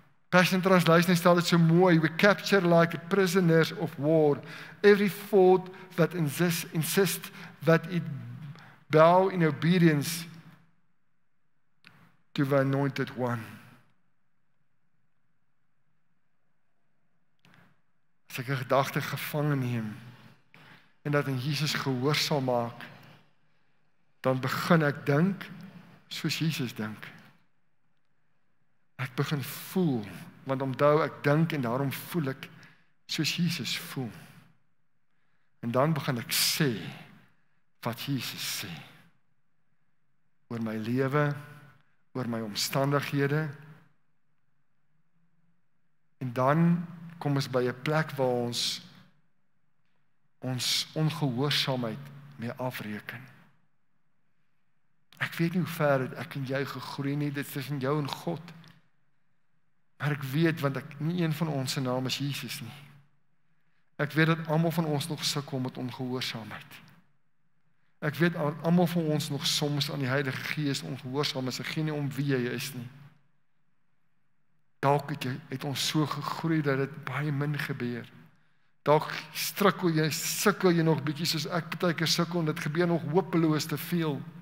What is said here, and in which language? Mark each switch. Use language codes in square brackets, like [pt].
[en] Passion Translation [af] stel dit so mooi, [en] we capture like prisoners of war every thought that insist that it bow in obedience to the anointed one. [af] As ek 'n gedagte gevang neem en dat in Jesus gehoor sal maak, dan begin ek dink soos Jesus dink. Ek begin voel, want onthou ek dink en daarom voel ek soos Jesus voel. En dan begin ek sê wat Jesus sê. Oor my lewe, oor my omstandighede. En dan kom ons by 'n plek waar ons ongehoorsaamheid mee afreken. Ek weet nie hoe ver ek en jy gegroei nie, dit is tussen jou en God. Maar ek weet, want ek nie een van ons se naam is Jesus nie. Ek weet dat almal van ons nog sukkel met ongehoorsaamheid. Ek weet dat almal van ons nog soms aan die Heilige Gees ongehoorsaam is. Ek gee nie om wie jy is nie. Dalk het ons so gegroei dat dit baie min gebeur. Dalk sukkel jy nog bietjie soos ek partykeer sukkel en dit gebeur nog hopeloos te veel.